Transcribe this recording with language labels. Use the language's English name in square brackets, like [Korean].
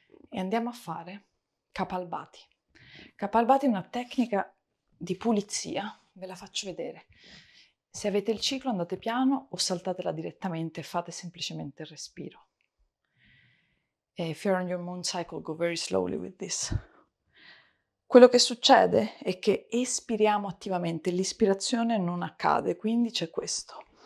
[Italian] E andiamo a fare Kapalbhati. Kapalbhati è una tecnica di pulizia, ve la faccio vedere. Se avete il ciclo andate piano o saltatela direttamente e fate semplicemente il respiro. [English] If you're on your moon cycle, go very slowly with this. [Italian] Quello che succede è che espiriamo attivamente, l'ispirazione non accade, quindi c'è questo.